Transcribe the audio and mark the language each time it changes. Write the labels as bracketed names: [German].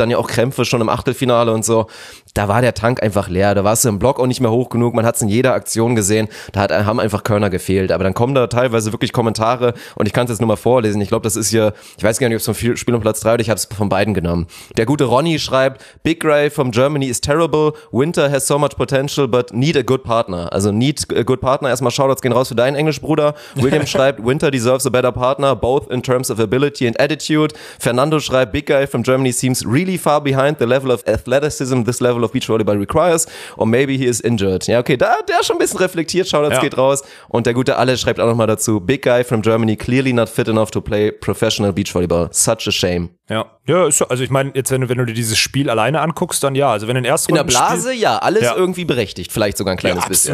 [German] Dann ja auch Krämpfe schon im Achtelfinale und so. Da war der Tank einfach leer. Da warst du im Block auch nicht mehr hoch genug. Man hat's in jeder Aktion gesehen. Da haben einfach Körner gefehlt. Aber dann kommen da teilweise wirklich Kommentare. Und ich kann's jetzt nur mal vorlesen. Ich glaube, das ist hier, ich weiß gar nicht, ob es vom Spiel um Platz 3 oder ich hab's von beiden genommen. Der gute Ronny schreibt, [English] Big Ray from Germany is terrible. Winter has so much potential, but need a good partner. Also need a good partner. [German] Erstmal Shoutouts gehen raus für deinen Englischbruder. [English] William [German] schreibt, [English] Winter deserves a better partner, both in terms of ability and attitude. Fernando [German] schreibt, [English] Big Guy from Germany seems really far behind the level of athleticism this level of beach volleyball requires, or maybe he is injured. [German] Ja, okay, da der schon ein bisschen reflektiert, Shoutouts geht raus. Und der gute Alex schreibt auch nochmal dazu, [English] Big Guy from Germany clearly not fit enough to play professional beach volleyball. Such a shame. [German] Ja, also ich meine, jetzt wenn du dir dieses Spiel alleine anguckst, dann ja, also wenn in erster Runde in der Blase, irgendwie berechtigt, vielleicht sogar ein kleines bisschen.